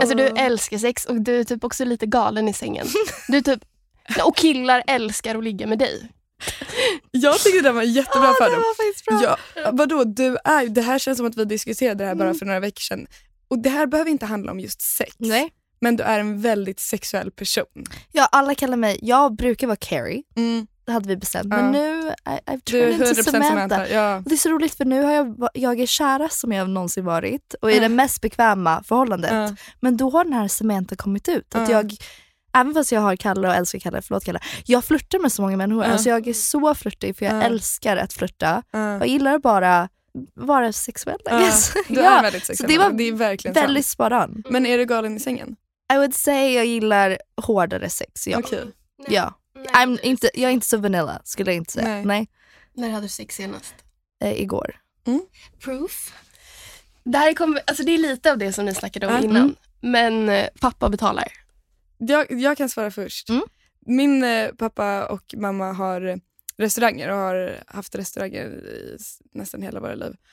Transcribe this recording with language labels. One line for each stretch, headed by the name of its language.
Swedish: Alltså du älskar sex och du är typ också lite galen i sängen. Du är typ, och killar älskar att ligga med dig. Jag tycker det var en jättebra fördom. Det var faktiskt bra. Ja, vadå, du är, det här känns som att vi diskuterade det här bara för några veckor sedan. Och det här behöver inte handla om just sex. Nej. Men du är en väldigt sexuell person. Ja, alla kallar mig, jag brukar vara Carrie. Det hade vi bestämt. Men nu,
English: I've turned into Samantha.
Swedish: Ja. Det är så roligt för nu har jag är kärast som jag någonsin varit. Och i det mest bekväma förhållandet. Men då har den här Samantha kommit ut. Att jag även fast jag har Kalle och älskar Kalle, förlåt Kalle, jag flirtar med så många människor. Alltså jag är så flirtig, för jag älskar att flirta. Jag gillar bara vara sexuell. Yes. Du är väldigt sexuell. Så det är verkligen väldigt sparan. Men är du galen i sängen?
English: I would say
Swedish: jag gillar hårdare sex. Ja. Okej. Okay. Ja. Nej, I'm inte, jag är inte så vanilla, skulle jag inte säga. Nej. När hade du sex senast? Igår. Mm. Proof. Det här kommer, alltså det är lite av det som ni snackade om innan. Men pappa betalar. Jag kan svara först. Min pappa och mamma har restauranger och har haft restauranger i nästan hela våra liv.